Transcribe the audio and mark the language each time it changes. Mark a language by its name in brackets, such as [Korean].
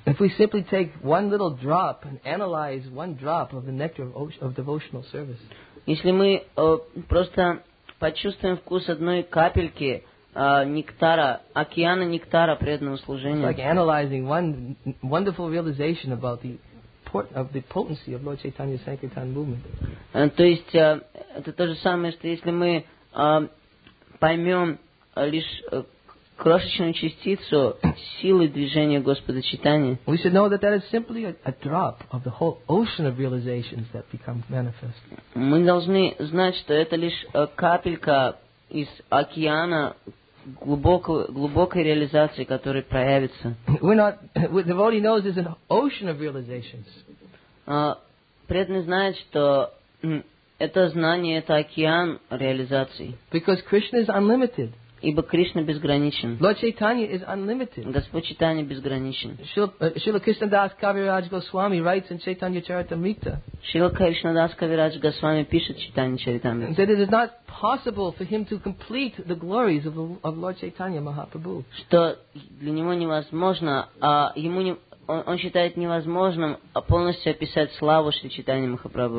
[English] If we simply take one little drop and analyze one drop of the nectar of devotional service. [Russian] Если мы просто почувствуем вкус одной капельки нектара, океана нектара преданного служения. [English] It's like analyzing one wonderful realization about the potency of Lord Chaitanya's Sankirtan movement. [Russian] То есть это то же самое, что если мы поймем лишь крошечную частицу силы движения Господа Чайтаньи. [English] We should know that that is simply a drop of the whole ocean of realizations that become manifest. [Russian] Мы должны знать, что это лишь капелька из океана глубокой реализации, которая проявится. [English] The devotee knows there's an ocean of realizations. [Russian] Преданный знает, что это знание, это океан реализаций. [English] Because Krishna is unlimited. [Russian] Ибо Кришна безграничен. [English] Lord Chaitanya is unlimited. [Russian] Господь Чайтанья безграничен. [English] Шрила Кришнадас Кавирадж Госвами writes in Chaitanya Charitamrita. [Russian] Шрила Кришнадас Кавирадж Госвами пишет Чайтанья Чаритамрита. [English] That it is not possible for him to complete the glories of Lord Chaitanya Mahaprabhu. [Russian] Что для него невозможно, он считает невозможным полностью описать славу Шри Чайтанья Махапрабху.